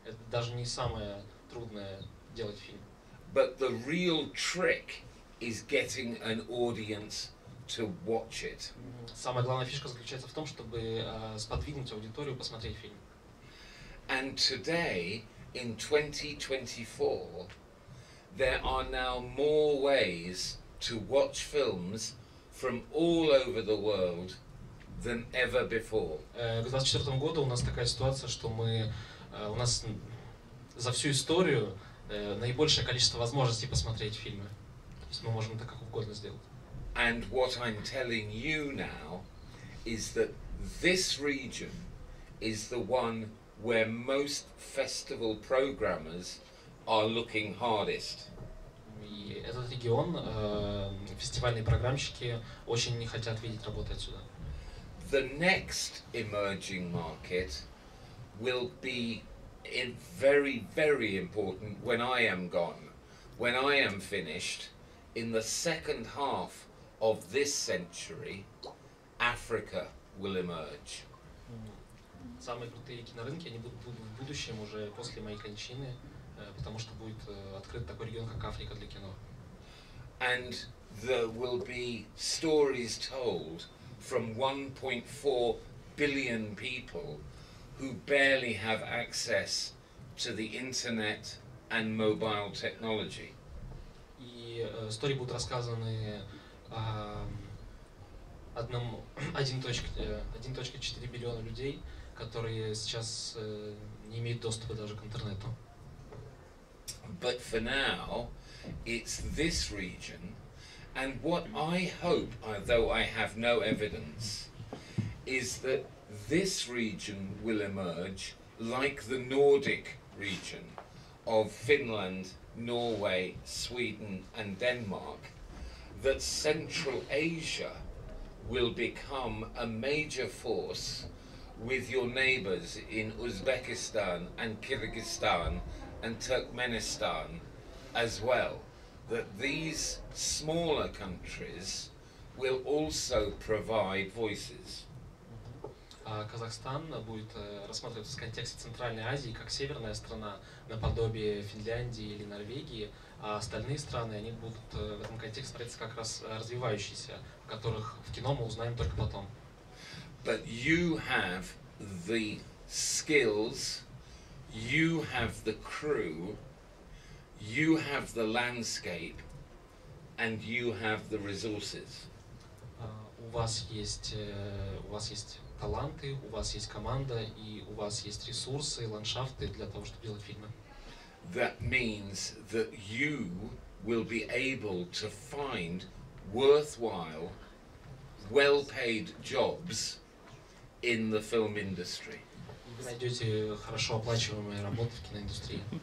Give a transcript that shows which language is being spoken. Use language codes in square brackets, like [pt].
[ru] Даже не самое трудное делать фильм. [en] But the real trick is getting an audience to watch it. [ru] Самая главная фишка заключается в том, чтобы сподвигнуть аудиторию посмотреть фильм. [en] And today, in 2024, there are now more ways to watch films from all over the world than ever before. [ru] К 2024 году у нас такая ситуация, что мы у нас за всю историю наибольшее количество возможностей посмотреть фильмы. То есть мы можем это как угодно сделать. [en] And what I'm telling you now is that this region is the one where most festival programmers are looking hardest. [ru] Этот регион, фестивальные программщики очень не хотят видеть работы отсюда. [en] The next emerging market will be very, very important when I am gone, when I am finished, in the second half of this century, Africa will emerge. [ru] Самые крутые кинорынки, они будут в будущем, уже после моей кончины, потому что будет открыт такой регион, как Африка, для кино. [en] And there will be stories told from 1.4 billion people who barely have access to the internet and mobile technology. [ru] И истории будут рассказаны 1.4 миллиона людей, которые сейчас не имеют доступа даже к интернету. [en] But for now, it's this region, and what I hope, though I have no evidence, is that this region will emerge like the Nordic region of Finland, Norway, Sweden, and Denmark, that Central Asia will become a major force with your neighbors in Uzbekistan and Kyrgyzstan and Turkmenistan as well, that these smaller countries will also provide voices. [ru] Казахстан будет рассматриваться в контексте Центральной Азии как северная страна, наподобие Финляндии или Норвегии, а остальные страны, они будут в этом контексте смотреться как раз развивающиеся, в которых в кино мы узнаем только потом. [en] But you have the skills, you have the crew, you have the landscape, and you have the resources. [ru] У вас есть таланты, у вас есть команда, и у вас есть ресурсы, ландшафты для того, чтобы делать фильмы. [en] That means that you will be able to find worthwhile well-paid jobs in the film industry. [ru] Вы найдете хорошо оплачиваемые работы в киноиндустрии.